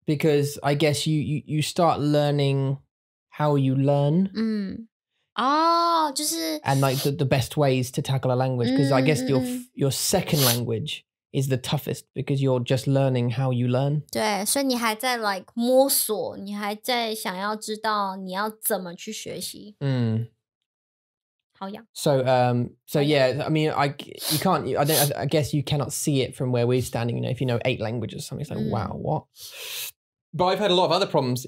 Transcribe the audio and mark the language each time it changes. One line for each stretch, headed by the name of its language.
English: Because I guess you start learning how you learn. And like the best ways to tackle a language. Because I guess your second language is the toughest because you're just learning how you learn.
Chinese: 对，所以你还在 like 摸索，你还在想要知道你要怎么去学习。
English: So yeah, I mean I guess you cannot see it from where we're standing, you know, if you know eight languages or something, it's like wow, what? But I've had a lot of other problems.